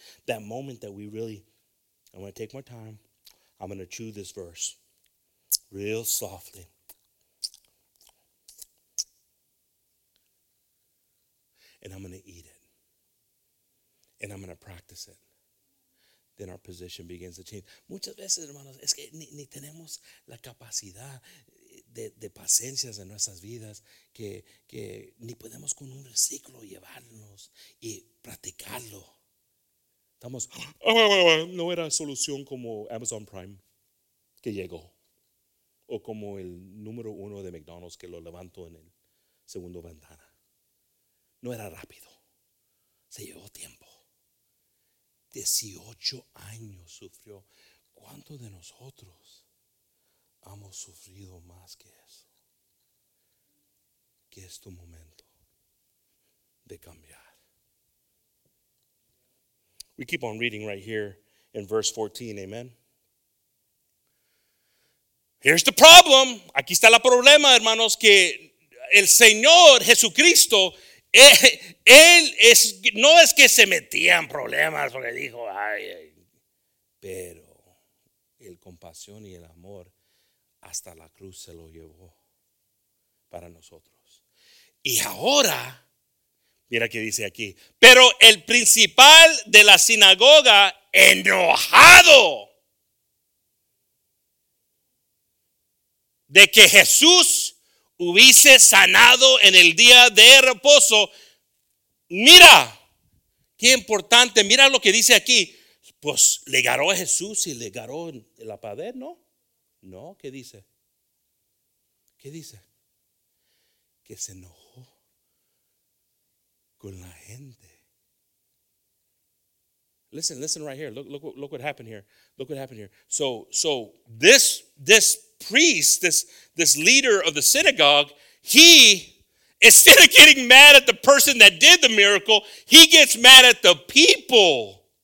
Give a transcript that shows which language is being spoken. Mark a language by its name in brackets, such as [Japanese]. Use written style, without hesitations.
[English] That moment that we really, I'm going to take my time. I'm going to chew this verse real softly. And I'm going to eat it. And I'm going to practice it. Then our position begins to change. [Spanish] Muchas veces, hermanos, es que ni tenemos la capacidad de paciencias en nuestras vidas que ni podemos con un reciclo llevarnos y practicarlo. Estamos, no era solución como Amazon Prime que llegó o como el número uno de McDonald's que lo levantó en el segundo ventana. No era rápido. Se llevó tiempo. 18 años sufrió. ¿Cuántos de nosotros hemos sufrido más que eso? Que es tu momento de cambiar. [English] We keep on reading right here in verse 14, amen. Here's the problem. [Spanish] Aquí está el problema, hermanos, que el Señor Jesucristo, él es, no es que se metía en problemas, porque dijo, ay. Pero el compasión y el amor hasta la cruz se lo llevó para nosotros. Y ahora, mira qué dice aquí. Pero el principal de la sinagoga, enojado de que Jesús hubiese sanado en el día de reposo. Mira, qué importante. Mira lo que dice aquí. Pues le agarró a Jesús y le agarró en la pared, ¿no? No, ¿qué dice? ¿Qué dice? Que se enojó con la gente. [English] Listen right here. Look what happened here. Look what happened here. So this priest, this leader of the synagogue, he, instead of getting mad at the person that did the miracle, he gets mad at the people.